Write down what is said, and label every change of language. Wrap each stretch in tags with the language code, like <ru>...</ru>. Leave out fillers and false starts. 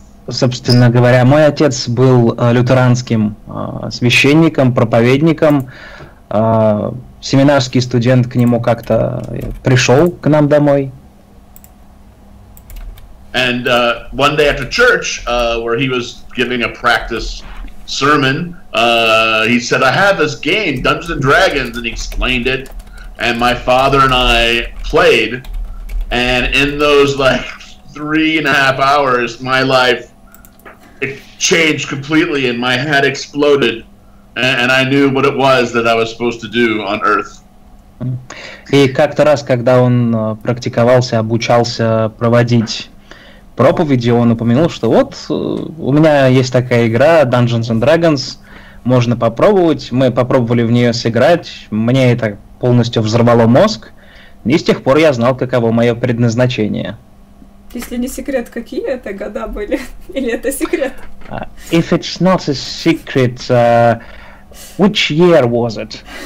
<ru>Собственно говоря, мой отец был лютеранским священником, проповедником. Семинарский студент к нему как-то пришел к нам домой.</ru> <en>And one day after church, where he was giving a practice sermon, he said, I have this game, Dungeons and Dragons, and he explained it. And my father and I played. And in those like 3.5 hours, my life changed completely and my head exploded. And I knew what it was that I was supposed to do on earth.</en> <ru>И как-то раз, когда он практиковался, обучался проводить проповеди, он упомянул, что вот у меня есть такая игра Dungeons and Dragons, можно попробовать. Мы попробовали в нее сыграть, мне это полностью взорвало мозг, и с тех пор я знал, каково мое предназначение. Если не секрет, какие это года были? Или это секрет?</ru> <en>If it's not a secret, which year was it?</en>